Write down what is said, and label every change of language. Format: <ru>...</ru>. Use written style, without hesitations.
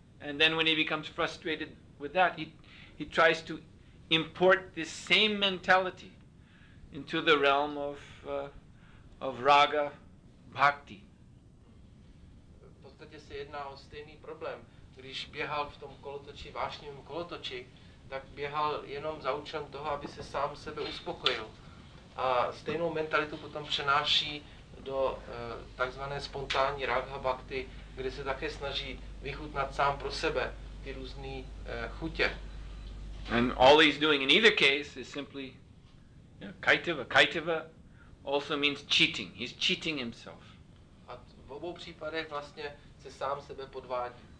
<en>And then when he becomes frustrated with that, he tries to import this same mentality into the realm of raga bhakti.</en> <cs>V podstatě se jedná o stejný problém. Když běhal v tom kolotoči, vášnivém kolotoči, tak běhal jenom za účelem toho, aby se sám sebe uspokojil. A stejnou mentalitu potom přenáší do takzvané spontánní raga bhakti, kde se také snaží vychutnat sám pro sebe ty různé chutě.</cs> <en>And all he's doing in either case is simply Kaitava. Kaitava also means cheating. He's cheating himself.</en> <cs>A v obou případech vlastně se sám sebe podvádí.</cs>